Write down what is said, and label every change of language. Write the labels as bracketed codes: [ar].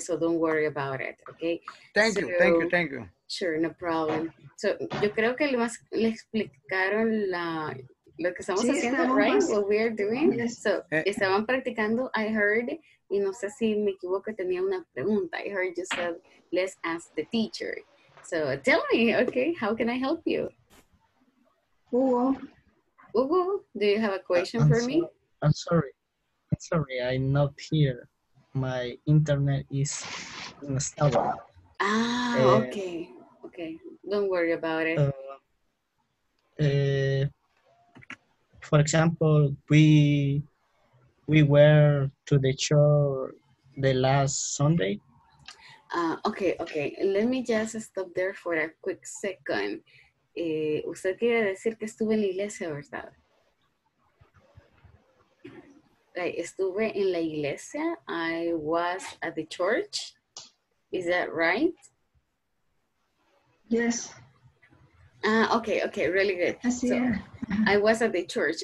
[en] So don't worry about it, okay? Thank you. Sure, no problem. So, [es] yo creo que le explicaron lo que estamos haciendo, [en] right? What we are doing. So, [es] estaban practicando, [en] I heard, [es] y no sé si me equivoco, tenía una pregunta. [en] I heard you said, let's ask the teacher. So, tell me, okay, how can I help you? Hugo, do you have a question for me? I'm sorry, I'm not here. My internet is unstable. Okay. Don't worry about it. For example, we were to the church the last Sunday. Okay. Let me just stop there for a quick second. [es] Usted quiere decir que estuve en la iglesia, ¿verdad? Estuve en la iglesia. [en] I was at the church. Is that right? Yes. Okay. Really good. I was at the church.